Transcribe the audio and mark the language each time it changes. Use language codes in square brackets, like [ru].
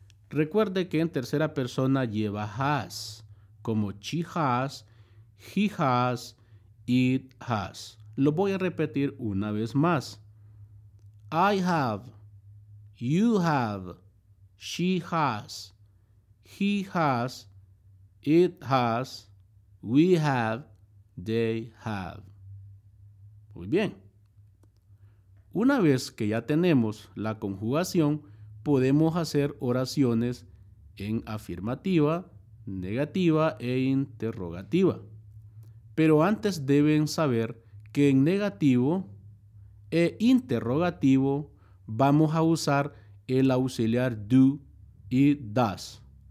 [es] Recuerde que en tercera persona lleva has, como [en] she has, he has, it has. [es] Lo voy a repetir una vez más. [en] I have, you have, she has, he has, it has, we have, they have. [es] Muy bien. Una vez que ya tenemos la conjugación, podemos hacer oraciones en afirmativa, negativa e interrogativa. Pero antes deben saber que en negativo e interrogativo vamos a usar el auxiliar do y does.